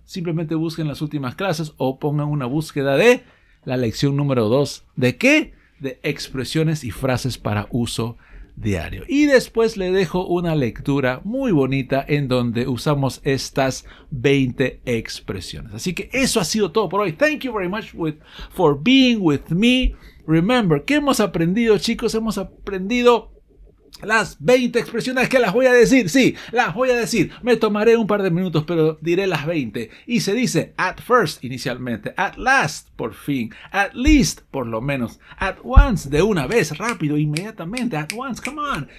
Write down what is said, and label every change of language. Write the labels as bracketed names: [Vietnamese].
[Spanish] Simplemente busquen las últimas clases o pongan una búsqueda de la lección número 2. ¿De qué? De expresiones y frases para uso diario. Y después le dejo una lectura muy bonita en donde usamos estas 20 expresiones. Así que eso ha sido todo por hoy. [English] Thank you very much for being with me. Remember, [Spanish] ¿qué hemos aprendido, chicos? Hemos aprendido las 20 expresiones que las voy a decir. Sí, las voy a decir. Me tomaré un par de minutos, pero diré las 20. Y se dice at first, inicialmente. At last, por fin. At least, por lo menos. At once, de una vez, rápido, inmediatamente. At once, [English] come on.